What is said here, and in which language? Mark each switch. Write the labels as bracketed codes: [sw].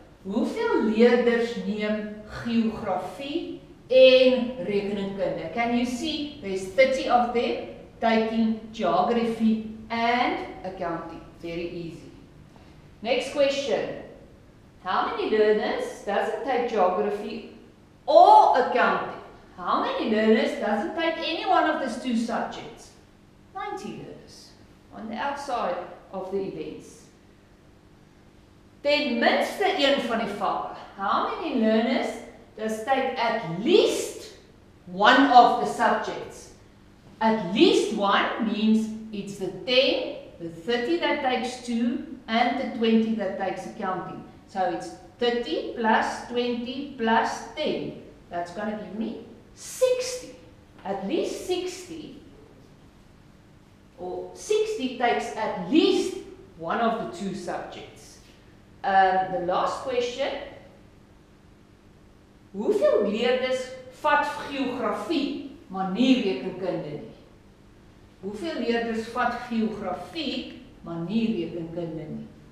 [af] Hoeveel leerders neem geografie en rekeningkunde? [en] Can you see there's 30 of them taking geography and accounting? Very easy. Next question. How many learners does it take geography or accounting? How many learners does it take any one of these two subjects? 90 learners on the outside of the events. [af] Ten minste een van die vakke. [en] How many learners does take at least one of the subjects? At least one means it's the 10, the 30 that takes 2, and the 20 that takes accounting. So it's 30 plus 20 plus 10. That's going to give me 60. At least 60. Or 60 takes at least one of the two subjects. The last question. [af] Hoeveel leerders vat geografie, maar nie rekenkunde nie? Hoeveel leerders vat geografie, maar nie rekenkunde nie?